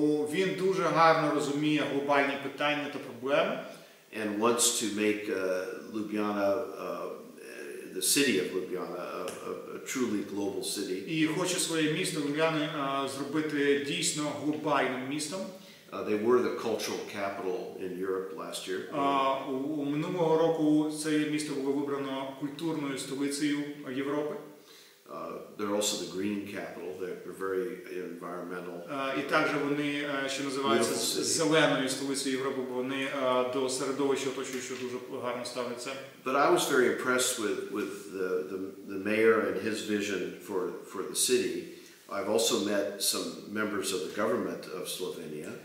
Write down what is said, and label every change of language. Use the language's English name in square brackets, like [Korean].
[Ukrainian] Він дуже гарно розуміє глобальні питання та проблеми. [English] And wants to make Ljubljana, the city of Ljubljana, a truly global city. [Ukrainian] І хоче своє місто Ljubljana зробити дійсно глобальним містом. [English] They were the cultural capital in Europe last year. [Ukrainian] У минулого року це місто було вибрано культурною столицею Європи. [English] They're also the green capital. They're very environmental. [Ukrainian] І також вони, що називається, зеленою столицею Європи, бо вони до середовища оточуючого дуже гарно ставляться. [English] But I was very impressed with the mayor and his vision for the city. I've also met some members of the government of Slovenia.